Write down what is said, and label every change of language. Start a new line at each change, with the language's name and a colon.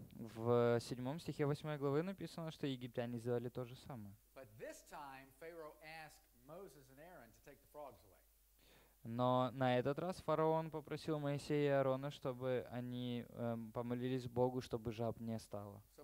Russian: В 7 стихе 8 главы написано, что египтяне сделали то же самое.
English: But this time Pharaoh asked Moses and Aaron to take the frogs away.
Russian: Но на этот раз фараон попросил Моисея и Аарона, чтобы они помолились Богу, чтобы жаб не стало.